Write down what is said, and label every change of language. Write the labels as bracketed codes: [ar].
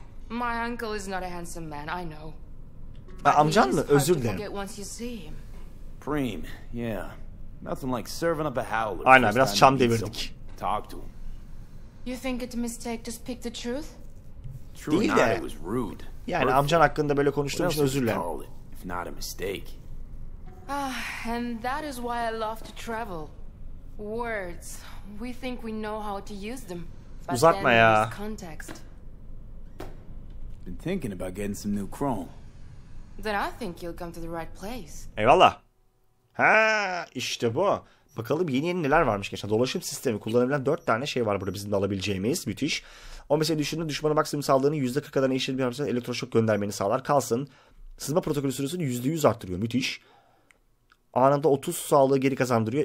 [en] My uncle is not a handsome man, I know. [tr] Amcan mı? Özür dilerim. Prim, yeah. [en] Nothing like serving up a howler. [tr] Aynen biraz çam devirdik. [en] Talk to him. You think it's a mistake to speak the truth? True, it was rude. [tr] Yani amcan hakkında böyle konuştuğum için özür dilerim. [en] If not a mistake. Ah, and that is why I love to travel. Words. We think we know how to use them. [tr] Uzatma ya. [en] Been thinking about getting some new chrome. Then I think you'll come to the right place. [tr] Eyvallah. Ha, işte bu. Bakalım yeni yeni neler varmış gençler. Dolaşım sistemi kullanabilen 4 tane şey var burada bizim de alabileceğimiz. Müthiş. O mesela düşündüğünde düşmana maksimum saldığını %40 kadar eşit bir haritada elektroşok göndermeni sağlar. Kalsın. Sızma protokolü süresini %100 arttırıyor. Müthiş. Anında 30 sağlığı geri kazandırıyor.